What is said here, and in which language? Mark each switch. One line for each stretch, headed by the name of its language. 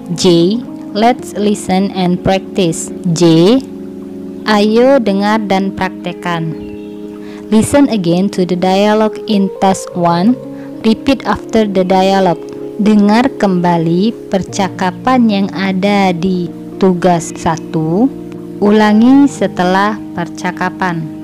English: J, let's listen and practice.
Indonesian: J, ayo dengar dan praktekan.
English: Listen again to the dialogue in test 1. Repeat after the dialogue.
Indonesian: Dengar kembali percakapan yang ada di tugas 1. Ulangi setelah percakapan.